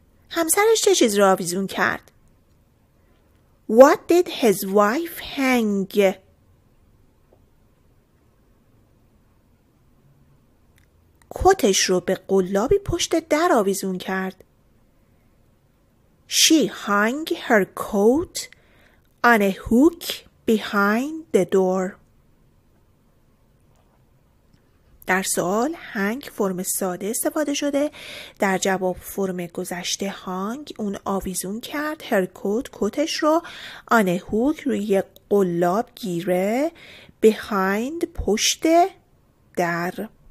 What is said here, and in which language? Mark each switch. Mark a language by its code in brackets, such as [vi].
[fa] همسرش چه چیز را آویزون کرد؟ [en] What did his wife hang؟ [fa] کتش رو به قلابی پشت در آویزون کرد. [en] She hung her coat on a hook behind the door. [fa] در سوال هنگ فرم ساده استفاده شده، در جواب فرم گذشته هانگ. اون آویزون کرد هر کت، کتش رو آن هوک روی قلاب گیره، بیهیند پشت در.